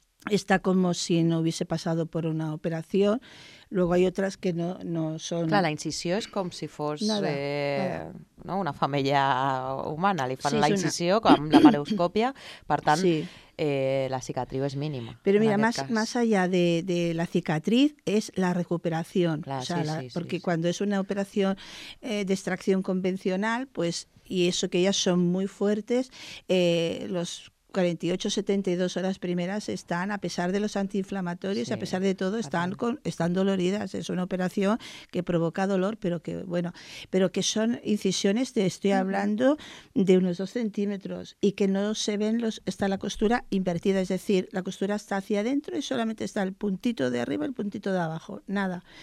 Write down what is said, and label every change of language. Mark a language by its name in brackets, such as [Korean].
[Spanish] está como si no hubiese pasado por una operación. Luego hay otras que no son... [Catalan] Clar, la incisió és com si fos [Spanish] nada. [Catalan] No, una femella humana. Li fan sí, la incisió una... amb la paroscòpia, per tant, sí. La cicatriu és mínima. Però mira, [Spanish] más allá de la cicatriz [Catalan] és la recuperació. Clar, o sea, sí, la, sí, porque sí, [Spanish] cuando es una [Catalan] operació d'extracció convencional, [Spanish] pues, y eso que ellas son muy fuertes, los 48-72 horas primeras están, a pesar de los antiinflamatorios, sí, a pesar de todo, están doloridas. Es una operación que provoca dolor, pero que, bueno, pero que son incisiones, estoy hablando de unos 2 centímetros y que no se ven, está la costura invertida, es decir, la costura está hacia adentro y solamente está el puntito de arriba, el puntito de abajo, nada.